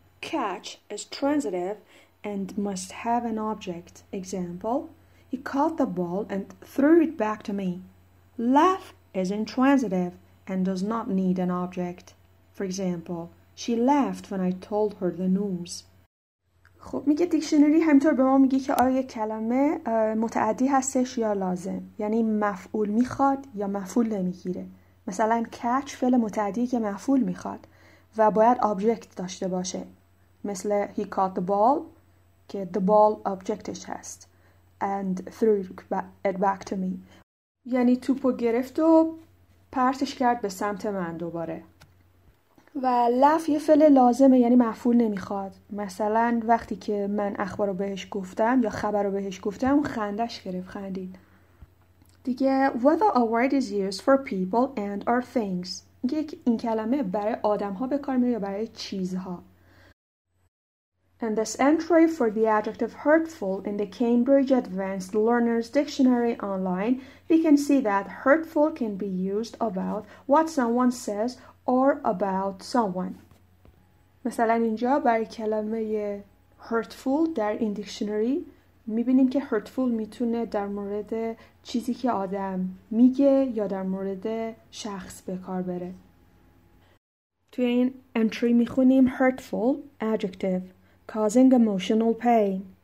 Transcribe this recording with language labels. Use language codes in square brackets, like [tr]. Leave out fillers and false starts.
[en] Catch is transitive and must have an object. Example: he caught the ball and threw it back to me. Laugh is intransitive and does not need an object. For example, she laughed when I told her the news. [fa] خب میگه دیکشنری همینطور به ما میگه که آیا کلمه متعدی هستش یا لازم، یعنی مفعول میخواد یا مفعول نمیگیره. مثلا catch فعل متعدی که مفعول میخواد و باید object داشته باشه، مثل [en] he caught the ball [fa] که the ball objectش هست، [en] and threw it back to me، [fa] یعنی توپو گرفت و پرتش کرد به سمت من دوباره. و لف یه فعل لازمه، یعنی مفعول نمیخواد. مثلا وقتی که من اخبار رو بهش گفتم یا خبر رو بهش گفتم خندش گرفت، خندید. [en] دیگه whether a word is used for people and or things. [fa] این کلمه برای آدم ها به کار میره یا برای چیزها. [en] And this entry for the adjective hurtful in the Cambridge Advanced Learner's Dictionary online, we can see that hurtful can be used about what someone says or about someone. [fa] مثلا اینجا برای کلمه hurtful در این دیکشنری میبینیم که hurtful میتونه در مورد چیزی که آدم میگه یا در مورد شخص به کار بره. توی این entry میخونیم [en] hurtful adjective causing emotional pain.